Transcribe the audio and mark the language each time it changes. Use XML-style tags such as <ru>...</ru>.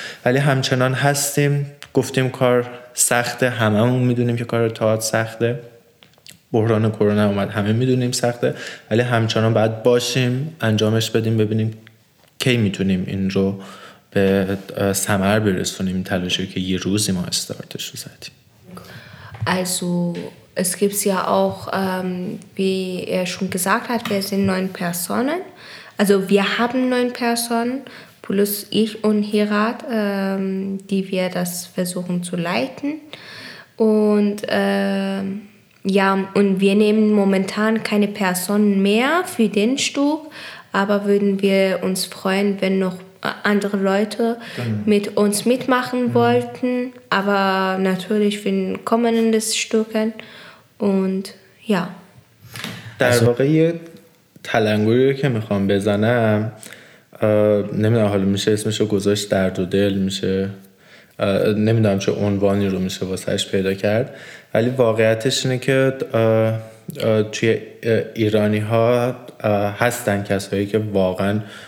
<fa>ولی همچنان هستیم، گفتیم کار سخته، هممون میدونیم که کار تئاتر سخته، بحران کرونا اومد همه میدونیم سخته، ولی همچنان باید باشیم انجامش بدیم، ببینیم کی میتونیم این رو به ثمر برسونیم، تلاشی که یه روزی ما استارتش رو زدیم.</fa> <de>Also es gibt's ja auch wie er schon gesagt hat, wir sind 9 Personen. Also wir haben 9 Personen plus ich und Hirat, die wir das versuchen zu leiten. Und ja, und wir nehmen momentan keine Personen mehr für den Stück, aber würden wir uns freuen, wenn noch andere Leute mit uns mitmachen wollten, aber natürlich für den kommenden Stücken. Und ja. Das war hier Talangur, ich kann mich nicht mehr sagen. Ich weiß nicht, ob ich das so gesagt</de> <fa>نمیدونم چه عنوانی رو میشه واسهش پیدا کرد، ولی واقعیتش اینه که توی ایرانی ها هستن کسایی که واقعا</fa>